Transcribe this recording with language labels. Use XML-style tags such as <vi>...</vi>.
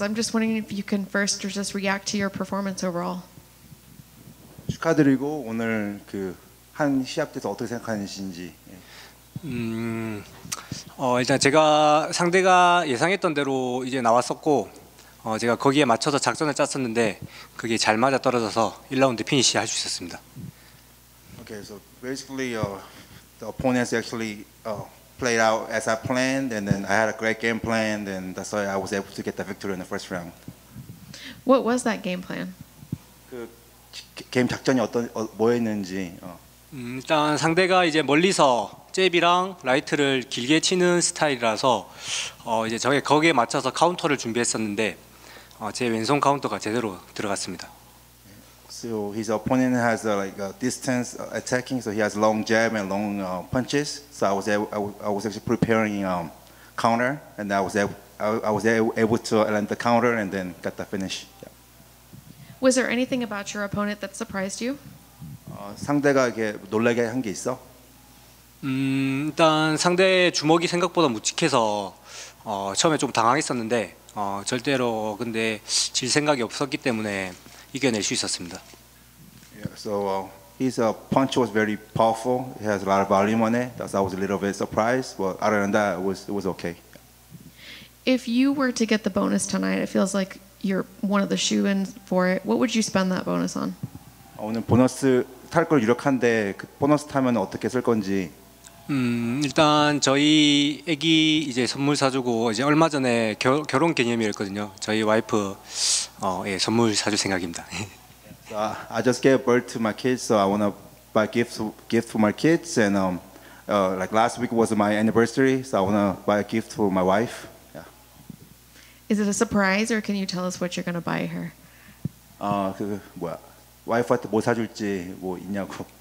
<en>I'm just wondering if you can first just react to your performance overall.</en> <ko>축하드리고 오늘 그 한 시합 때서 어떻게 생각하시는지. 일단 제가 상대가 예상했던 대로 이제 나왔었고 제가 거기에 맞춰서 작전을 짰었는데 그게 잘 맞아 떨어져서 1라운드 피니시 할 수 있었습니다.</ko> <en>Okay, so basically the opponents actually played out as I planned, and then I had a great game plan, and that's why I was able to get the victory in the first round. What was that game plan?</en> <ko>그 게임 작전이 어떤 뭐였는지. 일단 상대가 이제 멀리서 잽이랑 라이트를 길게 치는 스타일이라서 이제 저게 거기에 맞춰서 카운터를 준비했었는데 제 왼손 카운터가 제대로 들어갔습니다.</ko> <en>So his opponent has like a distance attacking, so he has long jab and long punches. So I was actually preparing counter, and I was able to land the counter and then got the finish. Yeah. Was there anything about your opponent that surprised you?</en> <ko>상대가 이게 놀라게 한 게 있어? 일단 상대의 주먹이 생각보다 묵직해서 처음에 좀 당황했었는데 절대로 근데 질 생각이 없었기 때문에 이겨낼 수 있었습니다.</ko> <en>Yeah, so his punch was very powerful. He has a lot of volume on it. That's why I was a little bit surprised. But other than that, it was okay. If you were to get the bonus tonight, it feels like you're one of the shoe-ins for it. What would you spend that bonus on?</en> <ko>오늘 보너스 탈 걸 유력한데 그 보너스 타면 어떻게 쓸 건지. 일단 저희 애기 이제 선물 사주고 이제 얼마 전에 결혼 기념일이었거든요. 저희 와이프 예, 선물 사줄 생각입니다.</ko> <en>So I just gave birth to my kids, so I want to buy gift for my kids. And like last week was my anniversary, so I want to buy a gift for my wife. Yeah. Is it a surprise, or can you tell us what you're going to buy her?</en> <ko>와이프한테 뭐 사줄지 뭐 있냐고.</ko>